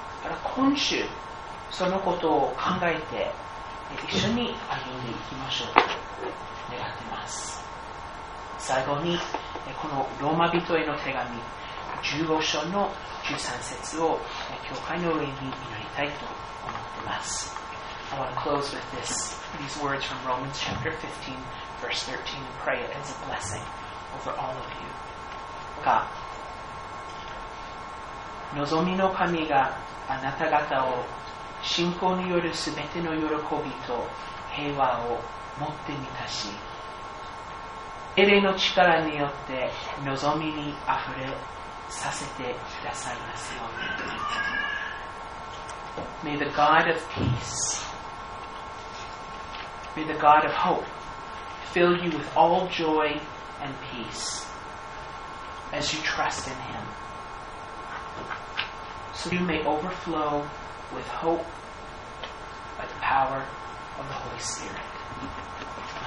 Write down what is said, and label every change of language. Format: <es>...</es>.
<ja>だから今週そのことを考えて一緒に歩んでいきましょうと願っています。最後にこのローマ人への手紙15章の13節を教会の上に祈りたいと思っています。</ja> <en>I want to close with this, these words from Romans chapter 15 verse 13 and pray it as a blessing over all of you.</en> <ja>望みの神があなた方を信仰によるすべての喜びと平和を持ってみたし、エレの力によって望みにあふれさせてくださいますように。</ja> <en>May the God of peace, may the God of hope fill you with all joy and peace as you trust in Him, so you may overflow with hope by the power of the Holy Spirit.</en>